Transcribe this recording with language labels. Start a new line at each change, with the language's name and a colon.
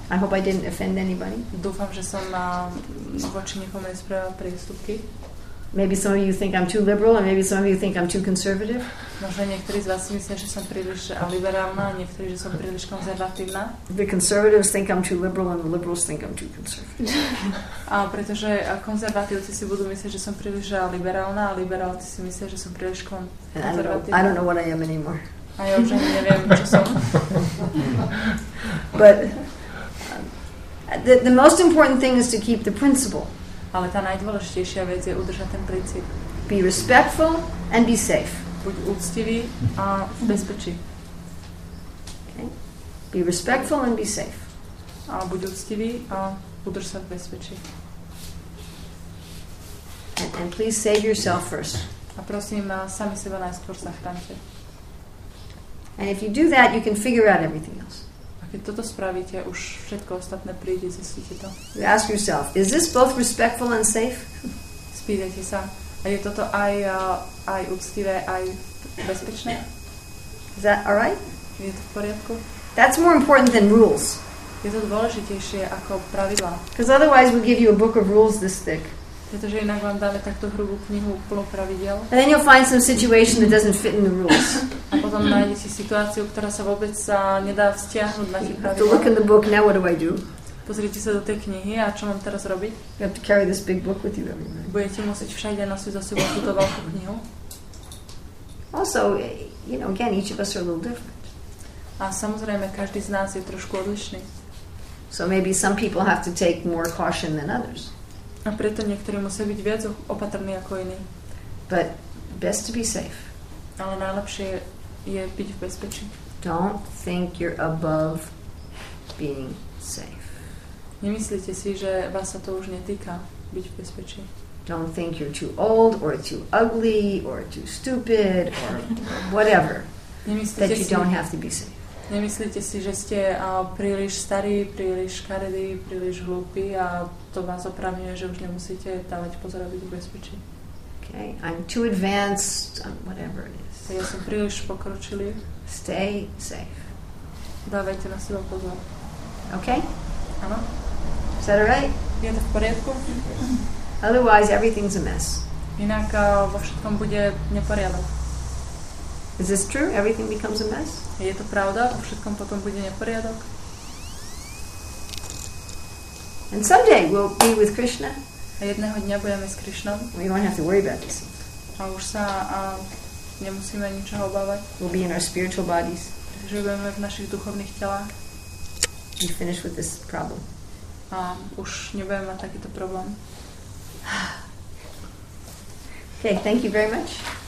English: I hope I didn't offend anybody.
Slovak: Dúfam, že som voči nikomu nespravila priestupky.
English: Maybe some of you think I'm too liberal and maybe some of you think I'm too conservative.
Slovak: Možno niektorí z vás si myslia, že som príliš liberálna, niektorí, že som príliš konzervatívna.
English: The conservatives think I'm too liberal and the liberals think I'm too conservative.
Slovak: A pretože konzervatívci si budú myslieť, že som príliš liberálna a liberálci si myslia, že som príliš konzervatívna.
English: I don't know what I am anymore.
Slovak: A ja už ani neviem, čo som.
English: But the most important thing is to keep the principle.
Slovak: Ale tá najdôležitejšia vec je udržať ten princíp.
English: Be respectful and be safe.
Slovak: Buď úctivý a v bezpečí.
English: Okay. Be respectful and be safe.
Slovak: A buď úctivý a udrž sa v bezpečí.
English: And please save yourself first.
Slovak: A prosím, sami seba najskôr zachránte.
English: And if you do that, you can figure out everything else.
Slovak: Keď toto spravíte, už všetko ostatné príde, zistíte to.
English: You ask yourself, is this both respectful and safe?
Slovak: Spýtajte sa, a je toto aj úctivé, aj bezpečné?
English: Is that all right?
Slovak: Je to v poriadku?
English: That's more important than rules.
Slovak: Je to dôležitejšie ako pravidlá.
English: Because otherwise we give you a book of rules this thick.
Slovak: Pretože inak vám dáme takto hrubú knihu plnú pravidel.
English: And then you'll find some situation that doesn't fit in the rules.
Slovak: A potom nájdete situáciu, ktorá sa vôbec nedá vzťahnuť na tie pravidla.
English: To look in the book, now what do I do?
Slovak: Pozrite sa do tej knihy a čo mám teraz robiť?
English: You have to carry this big book with you every night.
Slovak: Budete musieť všade nosiť za sebou túto veľkú knihu.
English: Also, you know, again, each of us are a little different.
Slovak: A samozrejme, každý z nás je trošku odlišný.
English: So maybe some people have to take more caution than others.
Slovak: A preto niektorí musia byť viac opatrní ako iní.
English: But best to be safe.
Slovak: Ale najlepšie je byť v bezpečí.
English: Don't think you're above being safe.
Slovak: Nemyslíte si, že vás sa to už netýka byť v bezpečí.
English: Don't think you're too old or too ugly or too stupid or whatever.
Slovak: Nemyslíte
English: that you don't have to be safe.
Slovak: Nemyslíte si, že ste príliš starý, príliš škaredý, príliš hlúpy a to vás opravňuje, že už nemusíte dávať pozor, aby byť v bezpečí.
English: Okay, I'm too advanced, whatever it is.
Slovak: Ja som príliš pokročilý.
English: Stay safe.
Slovak: Dávajte na seba pozor.
English: Okay?
Slovak: Áno.
English: Is that right?
Slovak: Je to v poriadku?
English: Otherwise, everything's a mess.
Slovak: Inak vo všetkom bude neporiadok.
English: Is this true? Everything becomes a mess?
Slovak: Je to pravda? Po všetkom potom bude neporiadok?
English: And someday we'll be with Krishna.
Slovak: A jednoho dňa budeme s Krishnou.
English: We don't have to worry about this.
Slovak: A už sa nemusíme ničoho obávať.
English: We'll be in our spiritual bodies.
Slovak: Takže budeme v našich duchovných telách.
English: We finish with this problem.
Slovak: A už nebudeme mať takýto problém.
English: Okay, thank you very much.